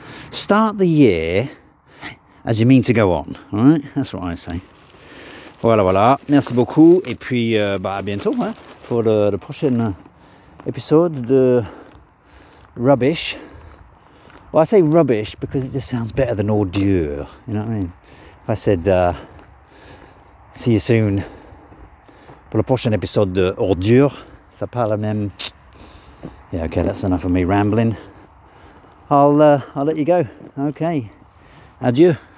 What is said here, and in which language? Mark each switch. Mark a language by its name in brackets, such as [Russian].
[English] Start the year as you mean to go on. All right? That's what I say. Voilà, voilà. [French] Merci beaucoup. Et puis, à bientôt, hein, pour le prochain épisode de Rubbish. [English] Well, I say rubbish because it just sounds better than ordure. You know what I mean? If I said, see you soon [French] pour le prochain épisode de ordure, ça parle la même. [English] Yeah, okay, that's enough of me rambling. I'll let you go. Okay. Adieu.